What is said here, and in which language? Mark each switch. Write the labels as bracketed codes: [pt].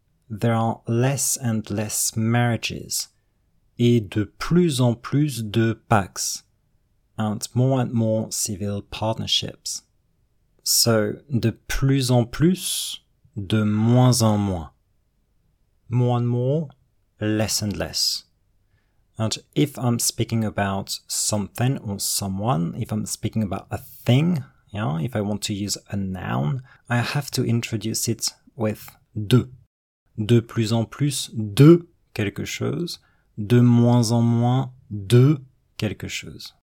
[en] There are less and less marriages, [fr] et de plus en plus de pacs, [en] and more civil partnerships. [fr] So, de plus en plus, de moins en moins. [en] More and more, less and less. And if I'm speaking about something or someone, if I'm speaking about a thing, yeah, if I want to use a noun, I have to introduce it with de. [fr] De plus en plus de quelque chose, de moins en moins de quelque chose.